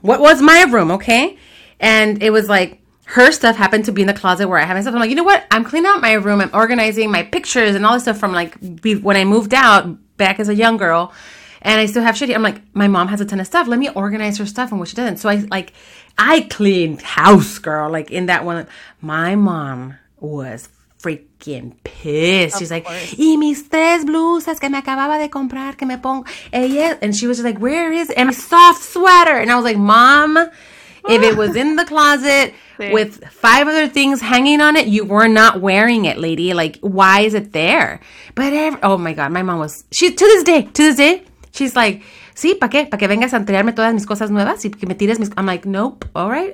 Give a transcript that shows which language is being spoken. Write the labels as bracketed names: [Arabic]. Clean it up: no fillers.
[English] What was my room, okay? And it was like her stuff happened to be in the closet where I have my stuff. I'm like, you know what? I'm cleaning out my room. I'm organizing my pictures and all this stuff from like when I moved out back as a young girl. And I still have shitty. I'm like, my mom has a ton of stuff. Let me organize her stuff and what she doesn't. So I cleaned house, girl, like in that one. My mom was freaking pissed. [Spanish] She's like, y mis tres blusas que me acababa de comprar, que me pongo. [English] And she was just like, where is it? And a soft sweater. And I was like, mom, if it was in the closet with five other things hanging on it, you were not wearing it, lady. Like, why is it there? But oh my God, my mom was, to this day, she's like, sí, ¿Para qué vengas a entregarme todas mis cosas nuevas? Y que me tires mis. I'm like, nope. All right.